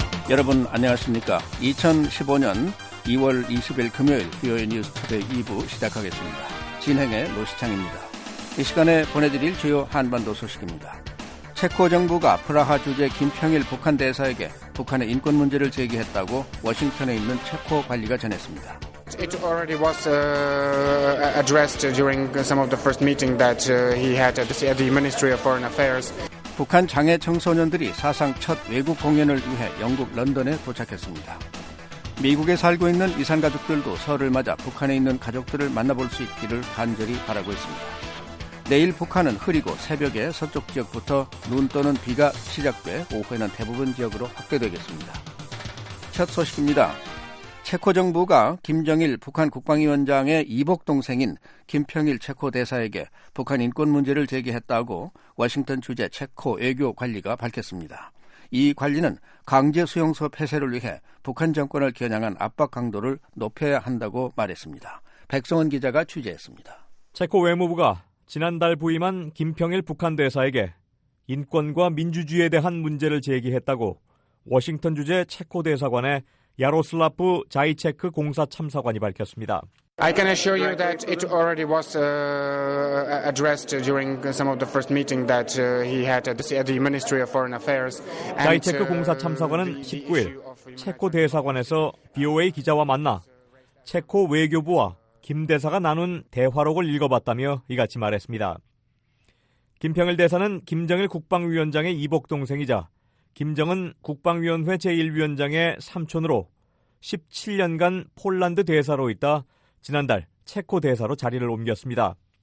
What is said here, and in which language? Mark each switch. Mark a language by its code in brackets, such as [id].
[ko] 여러분 안녕하십니까? 2015년 2월 20일 금요일 VOA News Today 2부 시작하겠습니다. 진행의 노시창입니다. 이 시간에 보내드릴 주요 한반도 소식입니다. 체코 정부가 프라하 주재 김평일 북한 대사에게 북한의 인권 문제를 제기했다고 워싱턴에 있는 체코 관리가 전했습니다. [en] It already was addressed during some of the first meeting that he had at the Ministry of Foreign Affairs. [ko] 북한 장애 청소년들이 사상 첫 외국 공연을 위해 영국 런던에 도착했습니다. 미국에 살고 있는 이산가족들도 설을 맞아 북한에 있는 가족들을 만나볼 수 있기를 간절히 바라고 있습니다. 내일 북한은 흐리고 새벽에 서쪽 지역부터 눈 또는 비가 시작돼 오후에는 대부분 지역으로 확대되겠습니다. 첫 소식입니다. 체코 정부가 김정일 북한 국방위원장의 이복 동생인 김평일 체코 대사에게 북한 인권 문제를 제기했다고 워싱턴 주재 체코 외교 관리가 밝혔습니다. 이 관리는 강제 수용소 폐쇄를 위해 북한 정권을 겨냥한 압박 강도를 높여야 한다고 말했습니다. 백성원 기자가 취재했습니다. 체코 외무부가 지난달 부임한 김평일 북한 대사에게 인권과 민주주의에 대한 문제를 제기했다고 워싱턴 주재 체코 대사관의 야로슬라프 자이체크 공사 참사관이 밝혔습니다. [en] I can assure you that it already was addressed during some of the first meeting that he had at the Ministry of Foreign Affairs. [ko] 자이체크 공사 참사관은 19일 체코 대사관에서 BOA 기자와 만나 체코 외교부와 김 대사가 나눈 대화록을 읽어봤다며 이같이 말했습니다. 김평일 대사는 김정일 국방위원장의 이복 동생이자 김정은 국방위원회 제1위원장의 삼촌으로 17년간 폴란드 대사로 있다 지난달 체코 대사로 자리를 옮겼습니다.